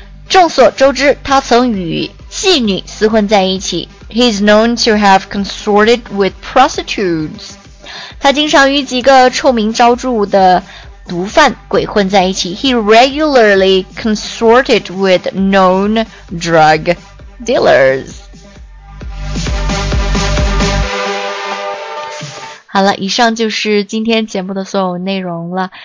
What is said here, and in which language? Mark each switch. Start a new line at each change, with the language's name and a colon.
Chinese: 众所周知，他曾与妓女厮混在一起。
English: He is known to have consorted with prostitutes.
Chinese: 他经常与几个臭名昭著的毒贩鬼混在一起。
English: He regularly consorted with known drug dealers.
Chinese: 好了，以上就是今天节目的所有内容了。